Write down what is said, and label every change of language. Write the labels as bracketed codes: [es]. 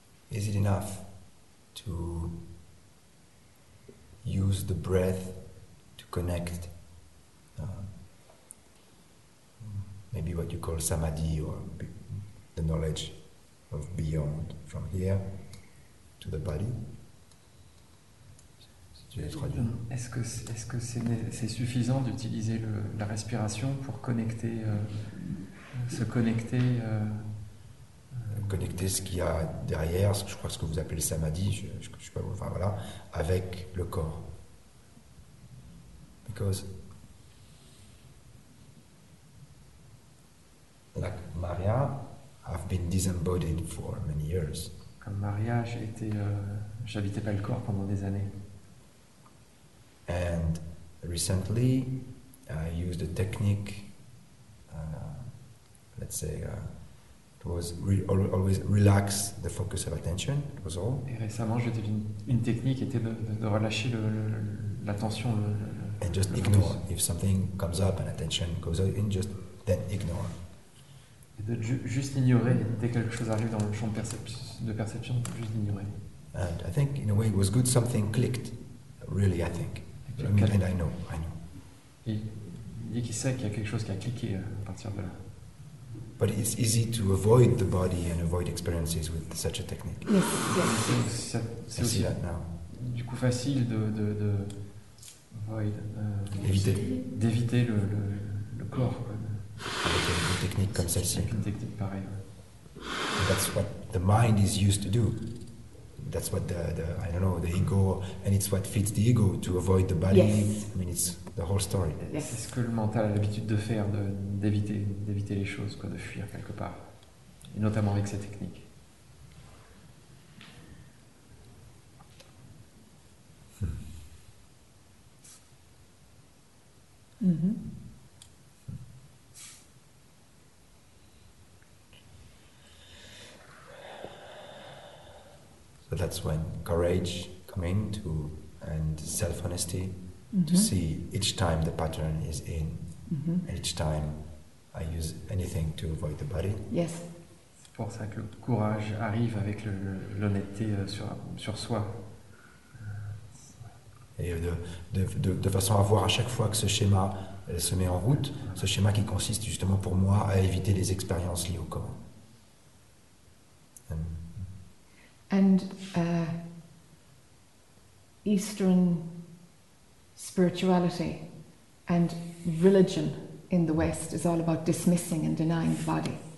[en] Is it enough to use the breath to connect maybe what you call samadhi or the knowledge of beyond from here to the body? [fr] Est-ce que c'est suffisant d'utiliser la respiration pour connecter, connecter ce qu'il y a derrière, ce que, je crois ce que vous appelez samadhi, je sais pas, enfin voilà, avec le corps. [en] Because like Maria, I've been disembodied for many years. [fr] Comme Maria, j'habitais pas le corps pendant des années. [en] And recently, I used a technique. Let's say it was always relax the focus of attention. It was all. [fr] Et récemment, j'ai utilisé une technique était de relâcher l'attention. [en] And just ignore focus. If something comes up and attention goes in, just then ignore. [fr] Et de juste ignorer dès quelque chose arrive dans le champ de perception, juste ignorer. [en] And I think, in a way, it was good. Something clicked. Really, I think. And I know. [fr] Il dit qu'il sait qu'il y a quelque chose qui a cliqué à partir de là. [en] But it's easy to avoid the body and avoid experiences with such a technique. [fr] C'est aussi [en] that now. [fr] Du coup facile de avoid, d'éviter le corps. Avec une technique comme celle-ci. Avec une technique pareille. [en] And that's what the mind is used to do. That's what the I don't know, the ego, and it's what feeds the ego to avoid the body. Yes. I mean, it's the whole story. Yes. [fr] C'est ce que le mental a l'habitude de faire, d'éviter les choses, quoi, de fuir quelque part, et notamment avec ces techniques. [en] So that's when courage comes in to and self-honesty to see each time the pattern is in, each time I use anything to avoid the body. Yes. [fr] C'est pour ça que le courage arrive avec l'honnêteté sur soi. Et de façon à voir à chaque fois que ce schéma se met en route, ce schéma qui consiste justement pour moi à éviter les expériences liées au corps. [en] And Eastern spirituality and religion in the West is all about dismissing and denying the body.